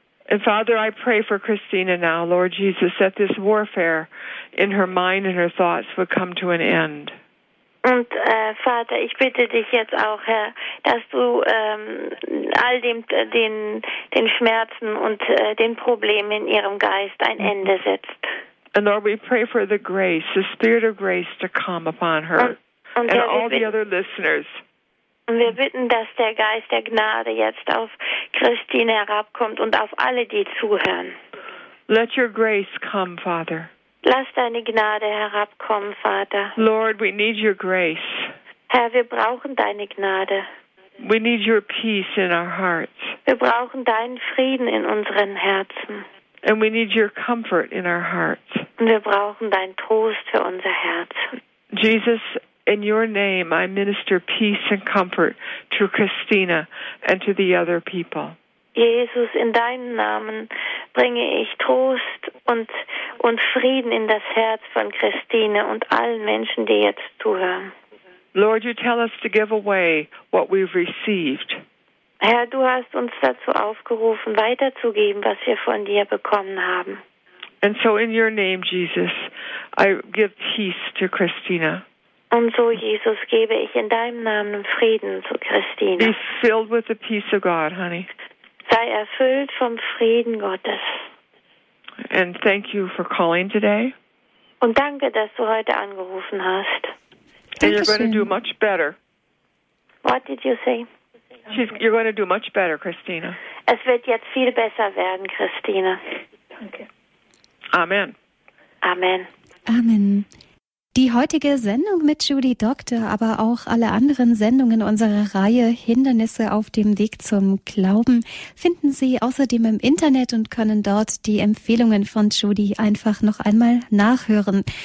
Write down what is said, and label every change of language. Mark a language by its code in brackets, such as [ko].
[en] And Father, I pray for Christina now, Lord Jesus, that this warfare in her mind and her thoughts would come to an end. [de] Und Vater, ich bitte dich jetzt auch, Herr, dass du all dem, den Schmerzen und den Problemen in ihrem Geist ein Ende setzt. [en] And Lord, we pray for the grace, the spirit of grace to come upon her and all the other listeners. [de] Und wir bitten, dass der Geist der Gnade jetzt auf Christine herabkommt und auf alle, die zuhören. [en] Let your grace come, Father. [de] Lass deine Gnade herabkommen, Vater. [en] Lord, we need your grace. [de] Herr, wir brauchen deine Gnade. [en] We need your peace in our hearts. [de] Wir brauchen deinen Frieden in unseren Herzen. [en] And we need your comfort in our hearts. [de] Und wir brauchen deinen Trost für unser Herz. [en] Jesus, in your name, I minister peace and comfort to Christina and to the other people. [de] Jesus, in deinem Namen bringe ich Trost und Frieden in das Herz von Christine und allen Menschen, die jetzt zuhören. [en] Lord, you tell us to give away what we've received. [de] Herr, du hast uns dazu aufgerufen, weiterzugeben, was wir von dir bekommen haben. [en] And so in your name, Jesus, I give peace to Christina. [de] Und so, Jesus, gebe ich in deinem Namen Frieden zu Christine. [en] Be filled with the peace of God, honey. [de] Sei erfüllt vom Frieden Gottes. [en] And thank you for calling today. [de] Und danke, dass du heute angerufen hast. [en] And you're going to do much better. What did you say? You're going to do much better, Christina. [de] Es wird jetzt viel besser werden, Christina. Danke. Amen. Amen. Amen. Die heutige Sendung mit Judy Doctor, aber auch alle anderen Sendungen unserer Reihe Hindernisse auf dem Weg zum Glauben finden Sie außerdem im Internet und können dort die Empfehlungen von Judy einfach noch einmal nachhören.